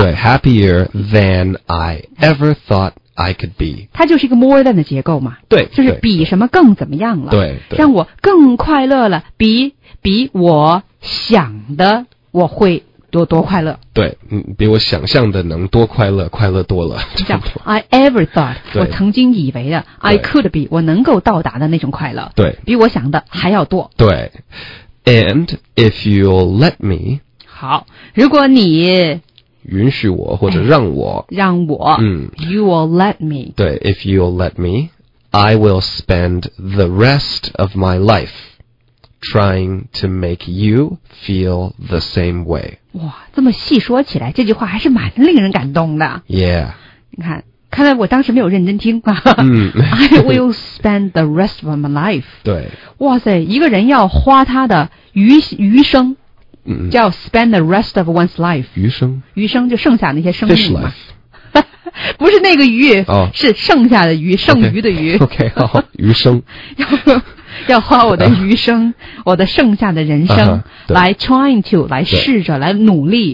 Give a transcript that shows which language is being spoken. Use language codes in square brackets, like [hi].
[zh] 对 [en] ，happier than I ever thought I could be。 [zh] 它就是一个 [en] more than [zh] 的结构嘛。对，就是比什么更怎么样了。对，对让我更快乐了，比我想的我会多快乐。对，比我想象的能多快乐，快乐多了。这样 ， [en] I ever thought [zh] 我曾经以为的 [en] I could be [zh] 我能够到达的那种快乐。对，比我想的还要多。对。 [en] And if you'll let me, [zh] 好，如果你允许我或者让我、哎、让我，嗯 [en] ，you will let me. [zh] 对 [en] ，if you'll let me, I will spend the rest of my life trying to make you feel the same way. [zh] 哇，这么细说起来，这句话还是蛮令人感动的。 [en] Yeah, [zh] 你看。看来我当时没有认真听、啊嗯、 [en] I will spend the rest of my life [zh] 对哇塞一个人要花他的余生、嗯、叫 [en] spend the rest of one's life [zh] 余生就剩下那些生命 [en] fish life [zh] 不是那个鱼、 [en] oh. [zh] 是剩下的鱼剩余的鱼 [en] okay, [zh] 好余生要花我的余生我的剩下的人生、来 [en] trying to [zh] 来试着来努力